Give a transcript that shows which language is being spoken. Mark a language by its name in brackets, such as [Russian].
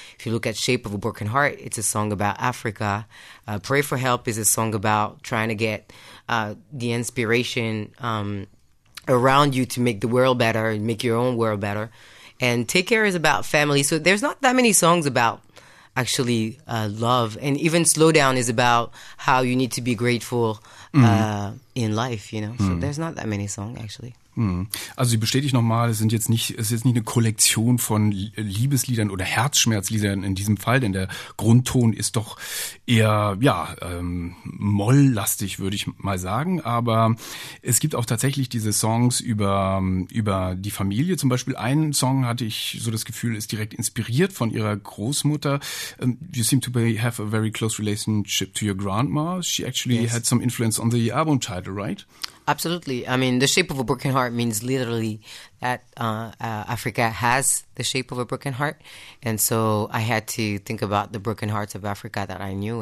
[English] If you look at Shape of a Broken Heart, it's a song about Africa. Pray for Help is a song about trying to get the inspiration around you to make the world better and make your own world better. And Take Care is about family. So there's not that many songs about actually love, and even Slow Down is about how you need to be grateful in life, you know. So there's not that many songs actually. [German] Also ich bestätige nochmal, es ist jetzt nicht eine Kollektion von Liebesliedern oder Herzschmerzliedern in diesem Fall, denn der Grundton ist doch eher molllastig, würde ich mal sagen. Aber es gibt auch tatsächlich diese Songs über die Familie. Zum Beispiel einen Song hatte ich so das Gefühl, ist direkt inspiriert von ihrer Großmutter. [English] You seem to have a very close relationship to your grandma. She actually yes. had some influence on the album title, right? Absolutely. I mean, the shape of a broken heart means literally that Africa has the shape of a broken heart. And so I had to think about the broken hearts of Africa that I knew.